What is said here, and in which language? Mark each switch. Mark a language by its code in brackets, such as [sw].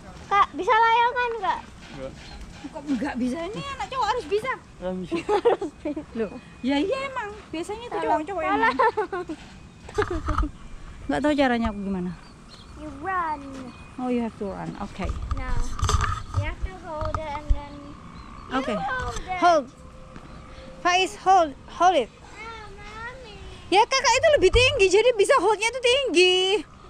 [id] Kak, bisa layangan gak? Enggak. Kok enggak bisa? Ini anak cowok harus bisa. Loh. Ya iya emang, biasanya itu cowok-cowok emang. Enggak tahu caranya aku gimana. [en] You run. Oh, you have to run. Okay. No. You have to hold it and then you okay. Hold. Faiz, hold it. Mommy. [id] Ya, kakak itu lebih tinggi, jadi bisa hold-nya itu tinggi.